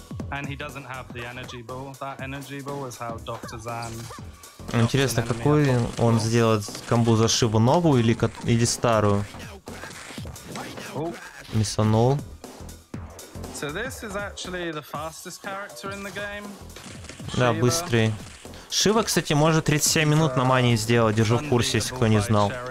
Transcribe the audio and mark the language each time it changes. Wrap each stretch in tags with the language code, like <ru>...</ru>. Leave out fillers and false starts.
<en>And he doesn't have the energy ball. That energy ball is how Dr. Zan.</en> <ru>Интересно, какой он сделает комбу за шибу, новую или старую? Миссанул.</ru> <en>So this is actually the fastest character in the game.</en> <ru>Да, быстрый. Шива, кстати, может 37 минут на мане сделать, держу в курсе, если кто не знал.</ru>